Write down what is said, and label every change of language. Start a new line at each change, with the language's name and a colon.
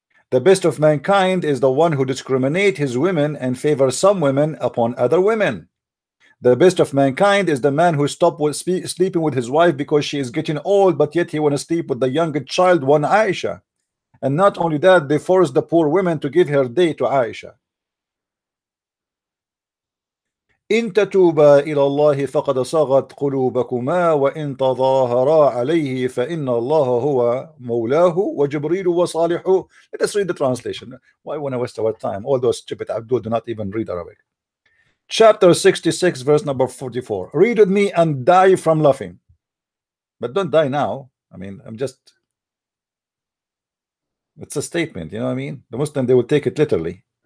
English: The best of mankind is the one who discriminate his women and favor some women upon other women. The best of mankind is the man who stopped with sleeping with his wife because she is getting old, but yet he wants to sleep with the younger child, one Aisha. And not only that, they force the poor women to give her day to Aisha.
Arabic: إن تتوبا إلى الله فقد صغت قلوبكما وإن تظاهرا عليه فإن الله هو مولاه وجبريل وصالح.
English: Let us read the translation. Why when I waste our time? All those stupid Abdul do not even read Arabic. Chapter 66, verse number 44. Read with me and die from laughing. But don't die now. I mean, I'm just... It's a statement, you know what I mean? The Muslim, they will take it literally.